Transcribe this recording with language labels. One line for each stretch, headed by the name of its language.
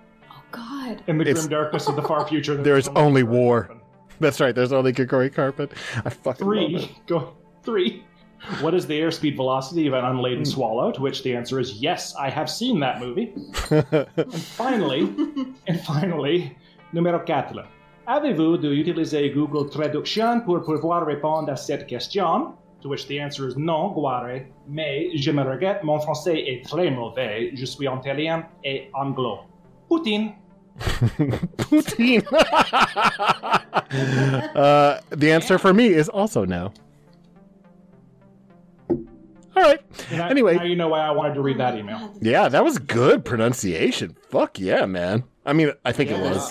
English: Oh god. In the grim darkness of the far future. There's only war. That's right, there's only Grigori Carpet. I fucking three. Love it. Go, 3. What is the airspeed velocity of an unladen swallow? To which the answer is yes, I have seen that movie. And finally, numero 4.
French: Avez-vous de utiliser Google Traduction pour pouvoir répondre à cette question?
English: To which the answer is
French: non, Guare, mais je me regrette, mon français est très mauvais, je suis italien et anglo.
English: Poutine! Poutine! The answer for me is also no. All right. Anyway. Now you know why I wanted to read that email. Yeah, that was good pronunciation. Fuck yeah, man. I mean, I think yeah, it was.